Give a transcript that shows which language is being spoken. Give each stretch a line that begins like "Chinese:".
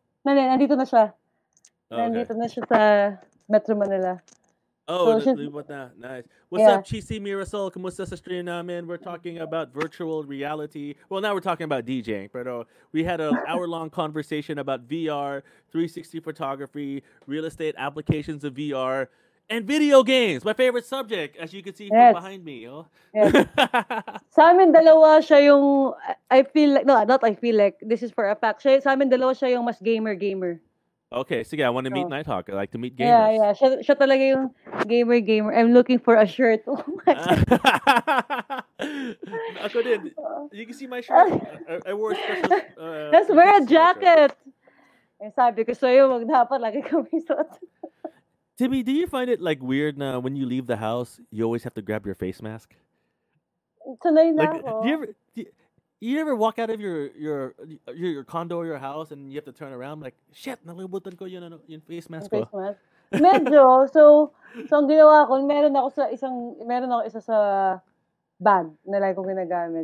Filipino: Nandito na siya. Nandito na siya sa Metro Manila.
English: Oh, so she's, what the, nice. What's up, Chisi Mirasol?
Filipino: Kumusta sa stream namin?
English: We're talking about virtual reality. Well, now we're talking about DJing. But we had an hour-long conversation about VR, 360 photography, real estate applications of VR, and video games, my favorite subject, as you can see from behind me. Oh. Yes.
Filipino: Sa amin dalawa siya yung,
English: I feel like, no, not I feel like, this is for a fact.
Filipino: Siya, sa amin dalawa siya yung mas gamer.
English: Okay, sige, I want to meet Nighthawk. I like to meet gamers. Yeah, yeah.
Filipino: Siya talaga yung gamer.
English: I'm looking for a shirt. Oh my God. Ako din. You can see my shirt. I wore a special... Let's wear a jacket. Shirt.
Filipino: Sabi ko sa'yo, huwag dapat lagi kami suot.
English: Timmy, do you find it like weird
Filipino: na
English: when you leave the house, you always have to grab your face mask?
Filipino: Sanay na ako.
English: Do you ever walk out of your condo or your house and you have to turn around like, shit,
Filipino: nalibutan ko yung face mask ko. Medyo. So ang ginawa ko, meron ako isa sa bag na lagi kong ginagamit.